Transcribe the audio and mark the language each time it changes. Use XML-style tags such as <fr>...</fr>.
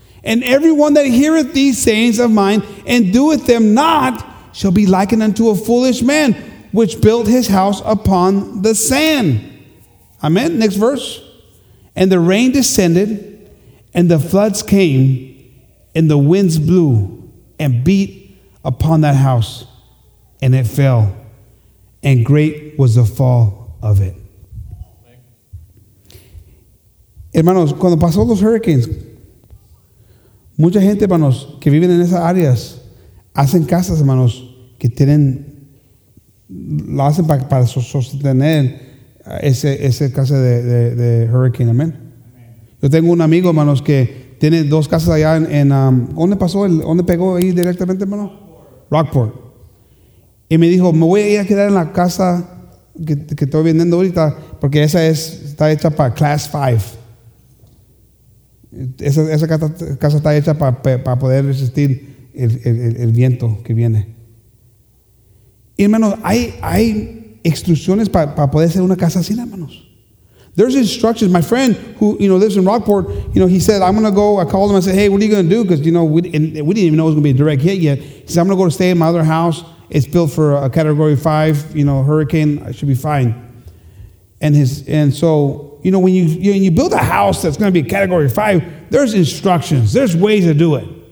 <en>And everyone that heareth these sayings of mine and doeth them not shall be likened unto a foolish man, which built his house upon the sand. Amen. Next verse. And the rain descended, and the floods came, and the winds blew and beat upon that house, and it fell, and great was the fall of it.</en> <es>Hermanos, cuando pasó los hurricanes, mucha gente, hermanos, que viven en esas áreas, hacen casas, hermanos, que tienen, lo hacen para sostener ese casa de hurricane. Amen. Yo tengo un amigo, hermanos, que tiene dos casas allá en ¿dónde pasó? ¿Dónde pegó ahí directamente, hermano? Rockport. Y me dijo, me voy a ir a quedar en la casa que estoy vendiendo ahorita, porque esa está hecha para Class 5. Esa casa está hecha para poder resistir el viento que viene. Y hermanos, hay instrucciones para poder hacer una casa así, hermanos.</es> <en>There's instructions. My friend who, you know, lives in Rockport, you know, he said, I'm going to go. I called him. I said, hey, what are you going to do? Because, you know, we didn't even know it was going to be a direct hit yet. He said, I'm going to go to stay in my other house. It's built for a Category 5, you know, hurricane. I should be fine. And so, you know, when you build a house that's going to be a Category 5, there's instructions. There's ways to do it.</en>